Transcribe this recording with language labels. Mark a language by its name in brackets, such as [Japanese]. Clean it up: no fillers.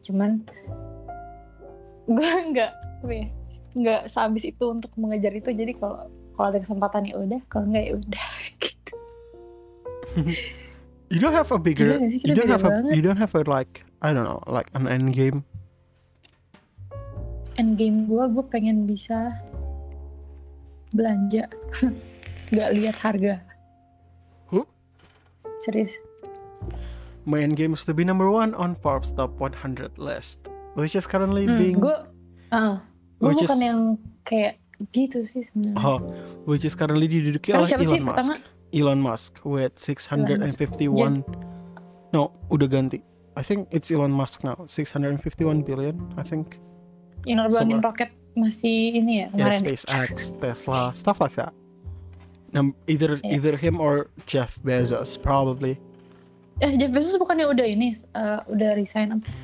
[Indonesian] Cuman gue gak sehabis itu untuk mengejar itu, jadi kalau ada kesempatan ya udah, kalau enggak ya udah gitu. [English] You don't have a bigger, you don't have [Indonesian] banget. [English] A, you don't have a like, I don't know, like an end game. [Indonesian] End game gue pengen bisa belanja, nggak lihat harga. Huh? Serius? [English] My end game is to be number one on Forbes top 100 list, which is currently being. [Indonesian] Gue bukan yang kayak gitu sih sebenarnya. [English] Oh, which is currently [Indonesian] diduduki oleh [English] Elon Musk. Elon Musk with 651 no [Indonesian] udah ganti [English] I think it's Elon Musk now 651 billion I think [Indonesian] yang nerbangin roket masih ini ya kemarin. [English] Yeah, SpaceX, Tesla, stuff like that. Either yeah. Either him or Jeff Bezos probably. [Indonesian] Jeff Bezos bukannya udah ini udah resign?